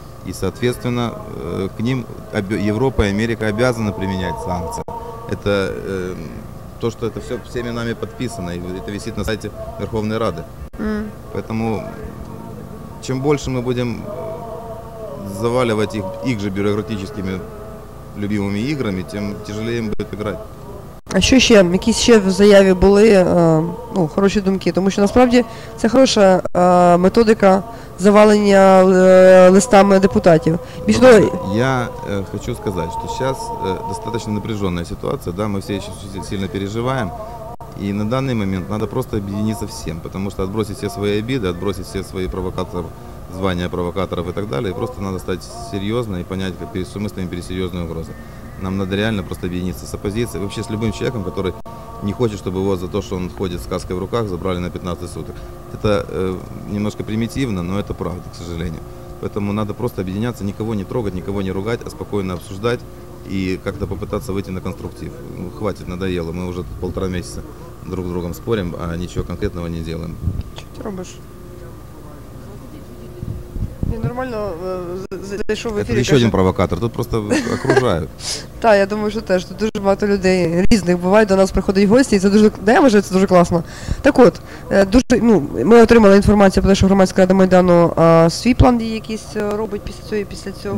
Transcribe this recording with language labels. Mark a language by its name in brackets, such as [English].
[Ukrainian] І, відповідно, [Russian] к ним Європа і Америка обязаны применять [Ukrainian] санкції. [Russian] Это то, что это все всеми нами подписано, и это висит на сайте Верховной Рады. Mm. Поэтому чем больше мы будем заваливать их же бюрократическими любимыми играми, тем тяжелее им будет играть. [Ukrainian] А що ще? Якісь ще в заяві були ну, хороші думки? Тому що насправді це хороша методика завалення листами депутатів. Я хочу сказати, що зараз достатньо напряжена ситуація, да? Ми всі ще сильно переживаємо. І на даний момент треба просто об'єднатися всім, тому що відбросити всі свої обіди, відбросити всі свої провокатори, звання провокаторів і так далі. І просто треба стати серйозно і зрозуміти, як перед сумислами, перед серйозною угрозою. [Russian] Нам надо реально просто объединиться с оппозицией, вообще с любым человеком, который не хочет, чтобы его за то, что он ходит с каской в руках, забрали на 15 суток. Это немножко примитивно, но это правда, к сожалению. Поэтому надо просто объединяться, никого не трогать, никого не ругать, а спокойно обсуждать и как-то попытаться выйти на конструктив. Хватит, надоело, мы уже тут полтора месяца друг с другом спорим, а ничего конкретного не делаем. Что ты делаешь? [Ukrainian] Не нормально зайшов в ефір. Це ще один провокатор, тут просто окружають. Так, я думаю, що теж. Тут дуже багато людей різних буває, до нас приходять гості, і це дуже, де я вважаю, це дуже класно. Так от, дуже, ну, ми отримали інформацію про те, що громадська рада Майдану свій план дії якийсь робить після цього.